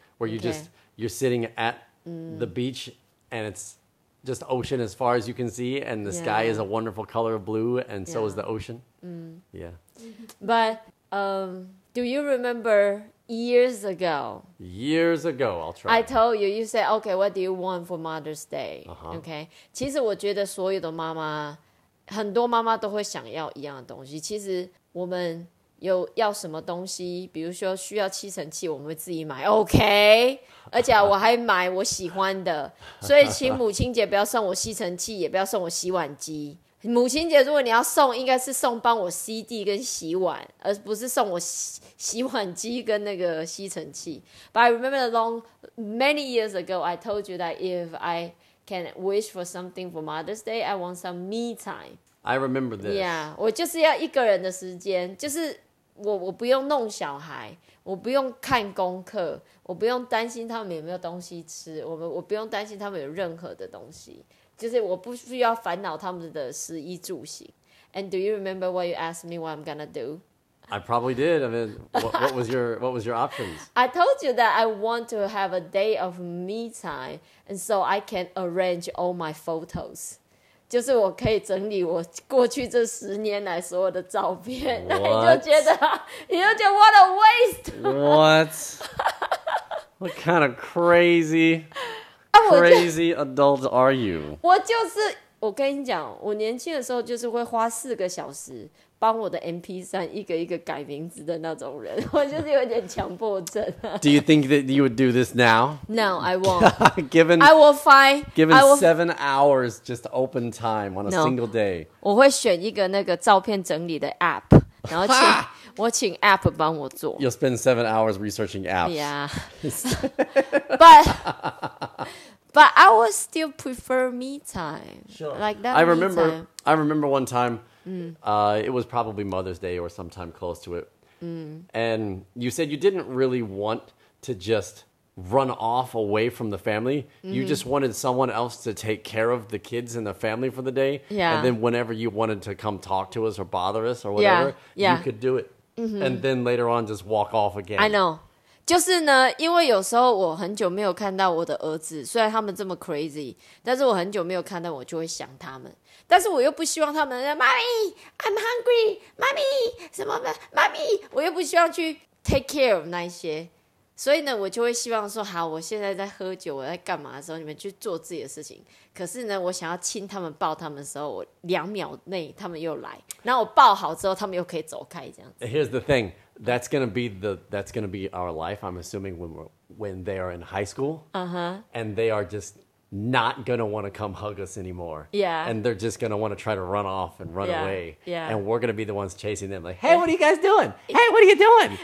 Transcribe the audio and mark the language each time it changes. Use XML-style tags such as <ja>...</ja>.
<en>Where you're sitting at the beach and it's just ocean as far as you can see and the sky is a wonderful color of blue and so is the ocean. But Do you remember years ago? Years ago, I'll try. I told you, you said, okay, what do you want for Mother's Day? Uh-huh. Okay.</en> <zh>其实我觉得所有的妈妈，很多妈妈都会想要一样的东西。其实我们有要什么东西，比如说需要吸尘器，我们会自己买。 OK， 而且我还买我喜欢的，所以请母亲节不要送我吸尘器，也不要送我洗碗机。母亲节如果你要送，应该是送帮我吸地跟洗碗，而不是送我 洗碗机跟那个吸尘器。</zh> <en>But I remember long many years ago, I told you that if I can wish for something for Mother's Day, I want some me time. I remember this.</en> <zh>Yeah, 我就是要一个人的时间，就是 我不用弄小孩，我不用看功课，我不用担心他们有没有东西吃， 我不用担心他们有任何的东西，就是我不需要烦恼他们的食衣住行。</zh> <en>And do you remember what you asked me what I'm gonna do? I probably did. I mean, what was your options? I told you that I want to have a day of me time, and so I can arrange all my photos.</en> <zh>就是我可以整理我过去这十年来所有的照片。那你就觉得，你就觉得</zh> <en>what a waste. What? What kind of crazy, crazy adult are you?</en> <zh>我就是，我跟你讲，我年轻的时候就是会花四个小时帮我的 MP3 一个一个改名字的那种人。我就是有点强迫症。</zh> <en>Do you think that you would do this now? No, I won't. Given, I will find... Given will, 7 hours just open time on a no, single day.</en> <zh>我会选一个那个照片整理的 app. 然后请我请 app 帮我做。</zh> <en>You'll spend 7 hours researching apps. Yeah. But... But I would still prefer me time. Sure. Like that me time. I remember one time, it was probably Mother's Day or sometime close to it. Mm. And you said you didn't really want to just run off away from the family. Mm. You just wanted someone else to take care of the kids and the family for the day. Yeah. And then whenever you wanted to come talk to us or bother us or whatever, yeah. you could do it. Mm-hmm. And then later on, just walk off again. I know.</en> <zh>就是呢，因为有时候我很久没有看到我的儿子，虽然他们这么 crazy， 但是我很久没有看到，我就会想他们。但是我又不希望他们，妈咪 ，</zh> <en>I'm hungry，</en> <zh>妈咪，什么的，妈咪，我又不希望去</zh> <en>take care of</en> <zh>那些。所以呢，我就会希望说，好，我现在在喝酒，我在干嘛的时候，你们去做自己的事情。可是呢，我想要亲他们、抱他们的时候，我两秒内他们又来，然后我抱好之后，他们又可以走开，这样子。</zh> <en>Here's the thing. That's going to be our life, I'm assuming, when they are in high school. Uh-huh. And they are just not going to want to come hug us anymore. Yeah. And they're just going to want to try to run off and run away. Yeah. And we're going to be the ones chasing them. Like, hey, what are you guys doing? Hey, what are you doing?</en>